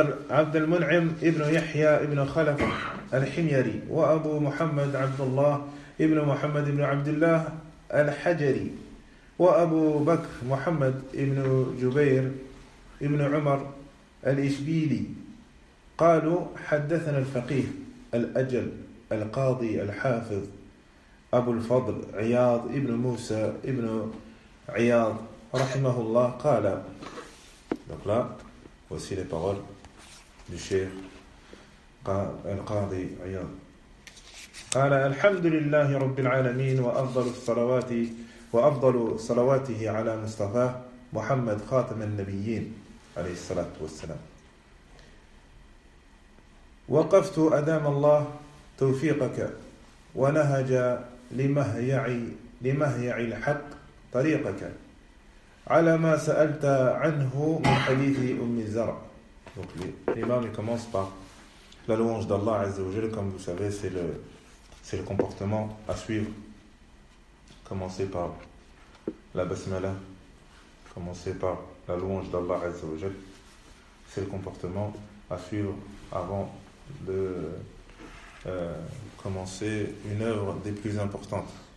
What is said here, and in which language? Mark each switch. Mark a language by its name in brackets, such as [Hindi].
[Arabic] عبد المنعم ابن يحيى ابن خلف الحميري وأبو محمد عبد الله ابن محمد ابن عبد الله الحجري وأبو بكر محمد ابن جبير ابن عمر الإشبيلي. قالوا حدثنا الفقيه الأجل القاضي الحافظ أبو الفضل عياض ابن موسى ابن عياض رحمه الله قال. [French] Voici les paroles du cheikh Al-Qadi Iyad. [Arabic] قال الحمد لله رب العالمين وأفضل الصلوات وأفضل صلواته على مصطفى محمد خاتم النبيين عليه الصلاة والسلام. وقفت أدام الله توفيقك ونهج لمهيعي الحق طريقك على ما سألت عنه من حديث أم الزرع. [French] Donc l'imam il commence par la louange d'Allah Azza wa Jal. Comme vous savez, c'est le comportement à suivre. Commencer par la basmala, commencer par la louange d'Allah Azzawajal. C'est le comportement à suivre avant de commencer une œuvre des plus importantes.